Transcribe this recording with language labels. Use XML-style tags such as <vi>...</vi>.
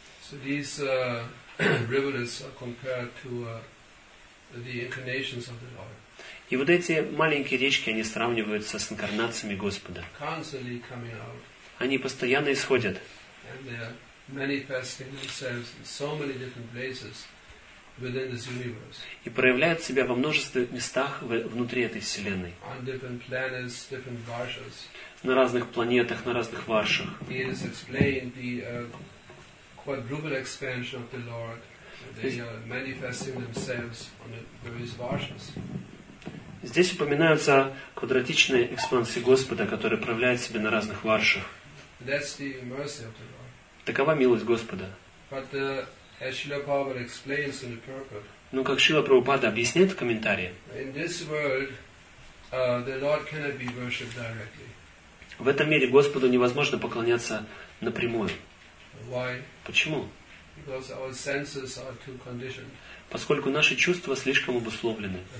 <en>So these rivulets are compared to the incarnations of the Lord.</en> <ru>И вот эти маленькие речки, они сравниваются с инкарнациями Господа.</ru> <en>Constantly coming out.</en> <ru>Они постоянно исходят.</ru> <en>And they are manifesting themselves in so many different places within this universe.</en> <ru>И проявляют себя во множестве местах внутри этой вселенной.</ru> <en>On different planets, different varshas.</en> <ru>На разных планетах, на разных варшах.</ru> <en>He has explained the quadruple expansion of the Lord. They are manifesting themselves on the various varshas.</en> <ru>Здесь упоминаются квадратичные экспансии Господа, которые проявляют себя на разных варшах.</ru> <en>That's the mercy of the Lord.</en> <ru>Такова милость Господа.</ru> <en>But as Srila Prabhupada explains in the purport.</en> <ru>Но как Шрила Прабхупада объясняет в комментарии.</ru> <en>In this world, the Lord cannot be worshipped directly.</en> <ru>В этом мире Господу невозможно поклоняться напрямую.</ru> <en>Why?</en> <ru>Почему?</ru> <en>Because our senses are too conditioned.</en> <ru>Поскольку наши чувства слишком обусловлены.</ru>